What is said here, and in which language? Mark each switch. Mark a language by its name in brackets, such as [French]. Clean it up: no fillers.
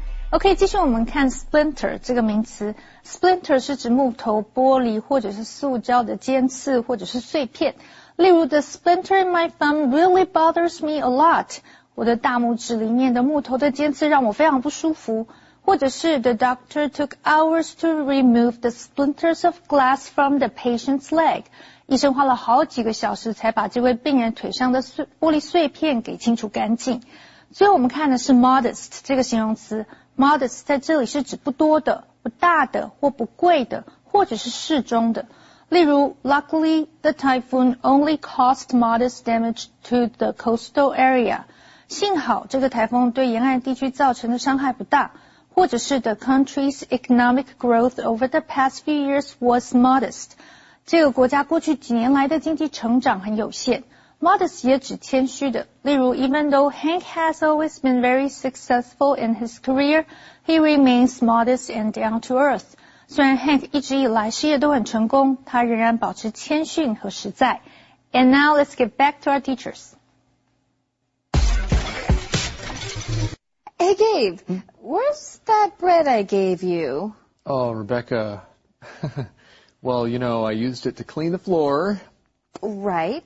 [Chinese] OK, 继续我们看 splinter 这个名词。splinter 是指木头、玻璃或者是塑胶的尖刺或者是碎片。例如 [English] ,the splinter in my thumb really bothers me a lot. [Chinese] 我的大拇指里面的木头的尖刺让我非常不舒服。或者是 [English] ,the doctor took hours to remove the splinters of glass from the patient's leg. [Chinese] 医生花了好几个小时才把这位病人腿上的玻璃碎片给清除干净。最后我们看的是 modest 这个形容词。Modest 在这里是指不多的、不大的或不贵的，或者是适中的。例如 [English] luckily, the typhoon only caused modest damage to the coastal area. [Chinese] 幸好这个台风对沿岸地区造成的伤害不大。或者是 [English] the country's economic growth over the past few years was modest. [Chinese] 这个国家过去几年来的经济成长很有限。 Modest 也指谦虚的。例如 [English] even though Hank has always been very successful in his career, he remains modest and down to earth. [Chinese] 虽然 Hank 一直以来事业都很成功，他仍然保持谦逊和实在。 [English] And now let's get back to our teachers. Hey Gabe,、where's that bread I gave you? Oh, Rebecca. Well, you know, I used it to clean the floor. Right.